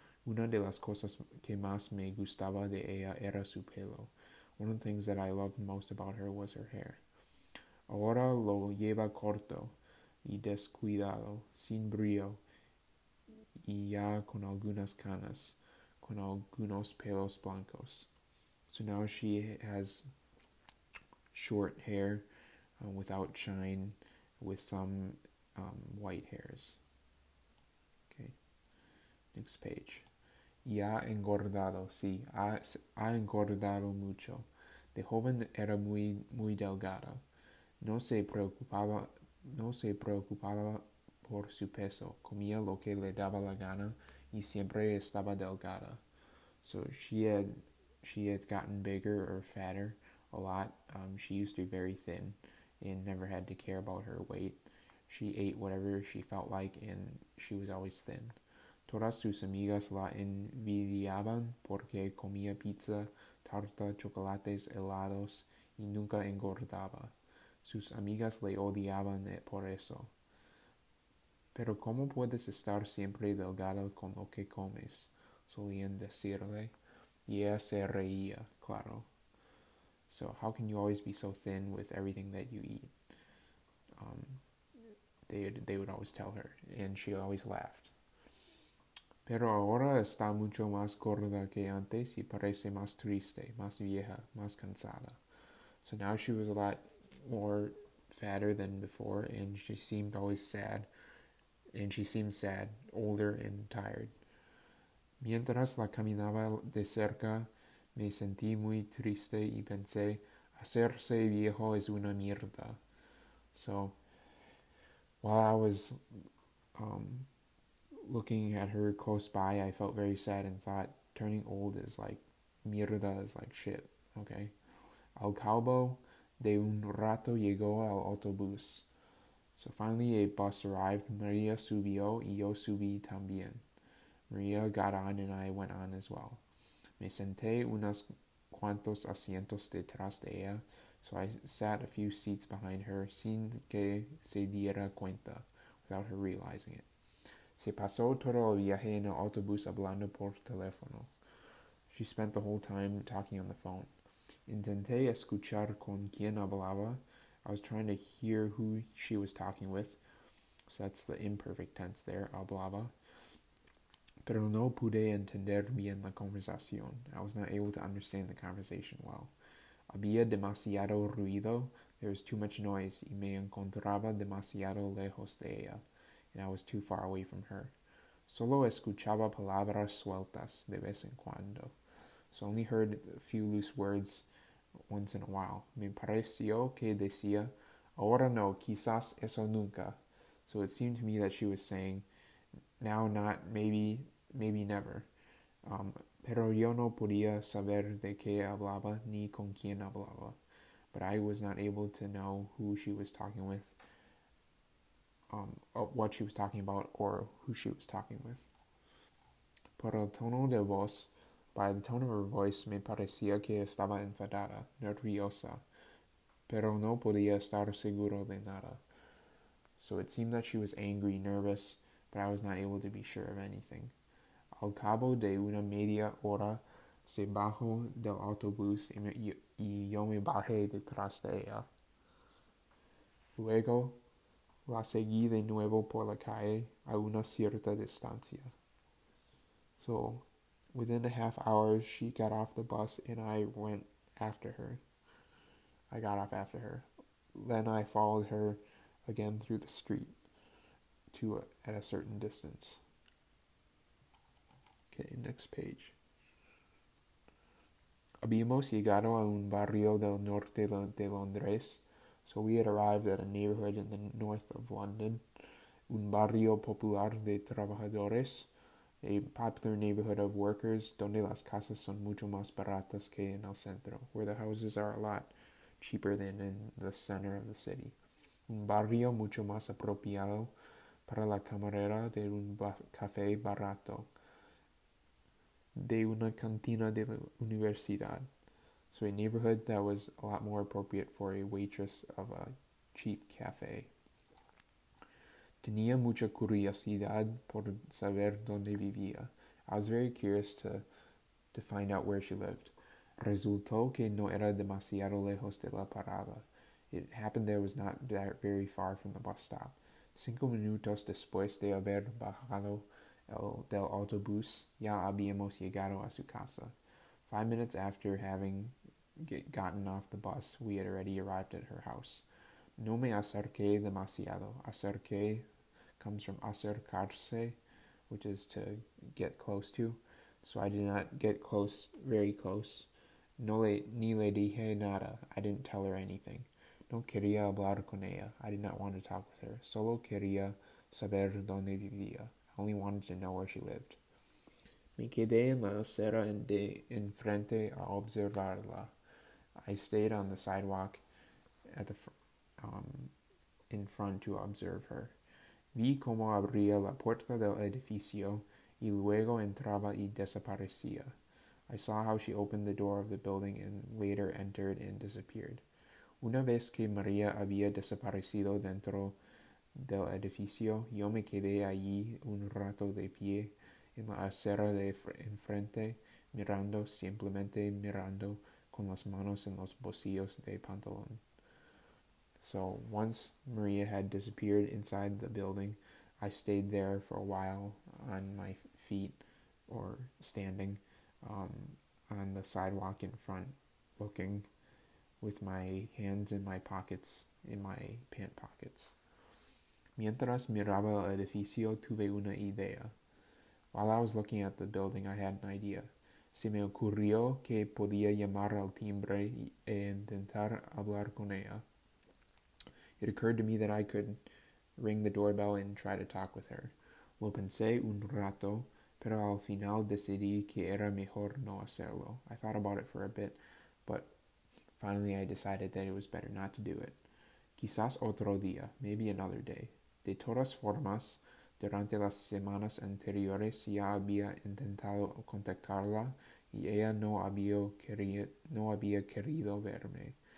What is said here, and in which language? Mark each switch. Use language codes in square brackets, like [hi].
[es] Una de las cosas que más me gustaba de ella era su pelo. [en] One of the things that I loved most about her was her hair. [es] Ahora lo lleva corto y descuidado, sin brillo, y ya con algunas canas, con algunos pelos blancos. [en] So now she has short hair, without shine, with some white hairs. Next page. [es] Ya engordado, sí, ha engordado mucho. De joven era muy delgada. No se preocupaba por su peso. Comía lo que le daba la gana y siempre estaba delgada. [en] So she had gotten bigger or fatter a lot. She used to be very thin and never had to care about her weight. She ate whatever she felt like and she was always thin. [es] Todas sus amigas la envidiaban porque comía pizza, tarta, chocolates, helados y nunca engordaba. Sus amigas le odiaban por eso. Pero ¿cómo puedes estar siempre delgada con lo que comes? Solían decirle. Y ella se reía, claro. [en] So, how can you always be so thin with everything that you eat? They would always tell her, and she always laughed. [es] Pero ahora está mucho más gorda que antes y parece más triste, más vieja, más cansada. [en] So now she was a lot more fatter than before, and she seemed always sad, and she seemed sad, older and tired. [es] Mientras la caminaba de cerca, me sentí muy triste y pensé, hacerse viejo es una mierda. [en] So while I was, looking at her close by, I felt very sad and thought, turning old is like, mierda is like shit, okay? [es] Al cabo, De un rato llegó el autobús. [en] So finally a bus arrived. [es] Maria subió y yo subí también. [en] Maria got on and I went on as well. [es] Me senté unos cuantos asientos detrás de ella. [en] So I sat a few seats behind her [es] sin que se diera cuenta, [en] without her realizing it. [es] Se pasó todo el viaje en el autobús hablando por teléfono. [en] She spent the whole time talking on the phone. [es] Intenté escuchar con quien hablaba. [en] I was trying to hear who she was talking with. So that's the imperfect tense there, hablaba. [es] Pero no pude entender bien la conversación. [en] I was not able to understand the conversation well. [es] Había demasiado ruido. [en] There was too much noise. [es] Y me encontraba demasiado lejos de ella. [en] And I was too far away from her. [es] Solo escuchaba palabras sueltas de vez en cuando. [en] So I only heard a few loose words once in a while. [es] Me pareció que decía, ahora no, quizás eso nunca. [en] So it seemed to me that she was saying, now not, maybe, maybe never. [es] Pero yo no podía saber de qué hablaba ni con quién hablaba. [en] But I was not able to know who she was talking with, what she was talking about, or who she was talking with. [es] Por el tono de voz, [en] by the tone of her voice, [es] me parecía que estaba enfadada, nerviosa, pero no podía estar seguro de nada. [en] So it seemed that she was angry, nervous, but I was not able to be sure of anything. [es] Al cabo de una media hora, se bajó del autobús y yo me bajé detrás de ella. Luego, la seguí de nuevo por la calle a una cierta distancia. [en] So, within a half hour, she got off the bus and I went after her. I got off after her. Then I followed her again through the street to at a certain distance. Okay, next page. [es] Habíamos llegado a un barrio del norte de Londres. [en] So we had arrived at a neighborhood in the north of London. [es] Un barrio popular de trabajadores. [en] A popular neighborhood of workers, [es] donde las casas son mucho más baratas que en el centro, [en] where the houses are a lot cheaper than in the center of the city. [es] Un barrio mucho más apropiado para la camarera de un café barato, de una cantina de la universidad. [en] So a neighborhood that was a lot more appropriate for a waitress of a cheap café. [es] Tenía mucha curiosidad por saber dónde vivía. [en] I was very curious to find out where she lived. [es] Resultó que no era demasiado lejos de la parada. [en] It happened there was not that very far from the bus stop. [es] 5 minutos después de haber bajado del autobús, ya habíamos llegado a su casa. [en] 5 minutes after having gotten off the bus, we had already arrived at her house. [es] No me acerqué demasiado. [en] Acerqué comes from acercarse, which is to get close to. So I did not get close, very close. [es] No le, ni le dije nada. [en] I didn't tell her anything. [es] No quería hablar con ella. [en] I did not want to talk with her. [es] Solo quería saber dónde vivía. [en] I only wanted to know where she lived. [es] Me quedé en la acera de enfrente a observarla. [en] I stayed on the sidewalk at the in front to observe her. [es] Vi cómo abría la puerta del edificio y luego entraba y desaparecía. [en] I saw how she opened the door of the building and later entered and disappeared. [es] Una vez que María había desaparecido dentro del edificio, yo me quedé allí un rato de pie en la acera de enfrente, mirando, simplemente mirando, con las manos en los bolsillos de pantalón. [en] So once Maria had disappeared inside the building, I stayed there for a while on my feet or standing on the sidewalk in front, looking with my hands in my pockets, in my pant pockets. [es] Mientras miraba el edificio, tuve una idea. [en] While I was looking at the building, I had an idea. [es] Se me ocurrió que podía llamar al timbre e intentar hablar con ella. [en] It occurred to me that I could ring the doorbell and try to talk with her. [es] Lo pensé un rato, pero al final decidí que era mejor no hacerlo. [en] I thought about it for a bit, but Finally, I decided that it was better not to do it. [es] Quizás otro día, [en] maybe another day. [es] De todas formas, durante las semanas anteriores ya había intentado contactarla y ella no había querido verme.